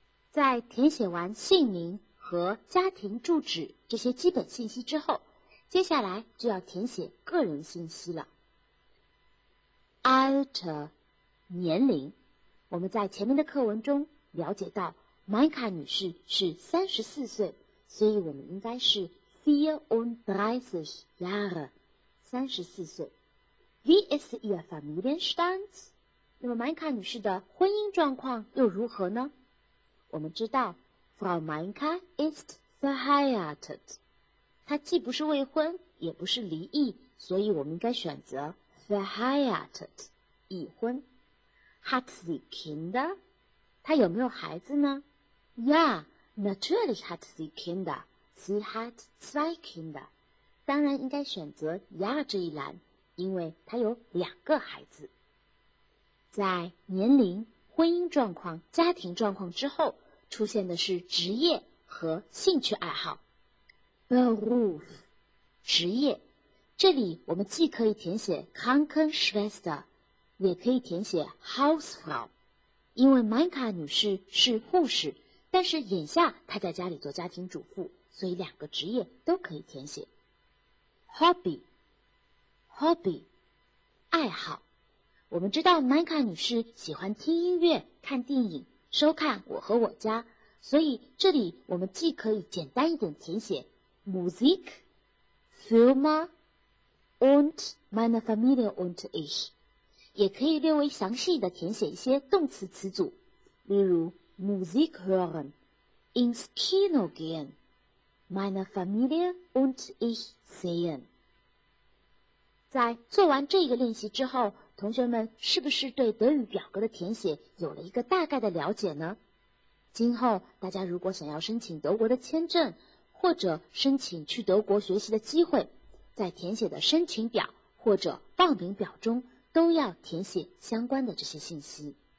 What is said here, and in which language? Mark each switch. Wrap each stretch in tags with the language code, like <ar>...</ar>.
<zh>在填写完姓名和家庭住址这些基本信息之后，接下来就要填写个人信息了。</zh> <de>Alter</de> <zh>年龄，我们在前面的课文中了解到 Manka 女士是34岁，所以我们应该是</zh> <de>34 Jahre，</de> <zh>34岁。</zh> <de>Wie ist Ihr Familienstand?</de> <zh>那么 Monica 女士的婚姻状况又如何呢？我们知道</zh> <de>Frau Monica ist verheiratet，</de> <zh>她既不是未婚也不是离异，所以我们应该选择</zh> <de>verheiratet，</de> <zh>已婚。</zh> <de>Hat sie Kinder?</de> <zh>她有没有孩子呢？</zh> <de>Ja, natürlich hat sie Kinder. Sie hat zwei Kinder.</de> <zh>当然应该选择 Ja 这一栏，因为他有两个孩子。在年龄、婚姻状况、家庭状况之后，出现的是职业和兴趣爱好。</zh> <de>Beruf</de> <zh>职业，这里我们既可以填写 Krankenschwester， 也可以填写 Hausfrau， 因为 Monica 女士是护士，但是眼下她在家里做家庭主妇，所以两个职业都可以填写。</zh> <de>Hobby</de> <zh>爱好，我们知道 Monica 女士喜欢听音乐、看电影、收看《我和我家》，所以这里我们既可以简单一点填写 Musik,</zh> <de>Filme und meine Familie und ich，</de> <zh>也可以略微详细的填写一些动词词组，例如</zh> <de>Musik hören, ins Kino gehen, meine Familie und ich sehen。</de> <zh>在做完这个练习之后，同学们是不是对德语表格的填写有了一个大概的了解呢？今后大家如果想要申请德国的签证，或者申请去德国学习的机会，在填写的申请表或者报名表中都要填写相关的这些信息。</zh>